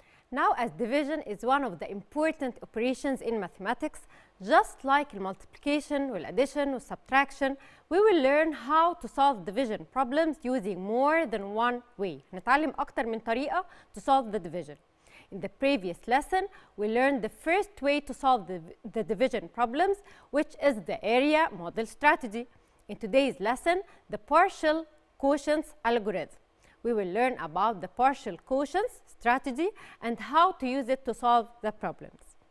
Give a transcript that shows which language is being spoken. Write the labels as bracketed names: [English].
[English] Now, as division is one of the important operations in mathematics, just like multiplication, addition, subtraction, we will learn how to solve division problems using more than one way. [Arabic] نتعلم أكتر من طريقة [English] to solve the division. In the previous lesson, we learned the first way to solve the division problems, which is the area model strategy. In today's lesson, the partial quotients algorithm. We will learn about the partial quotients strategy and how to use it to solve the problems.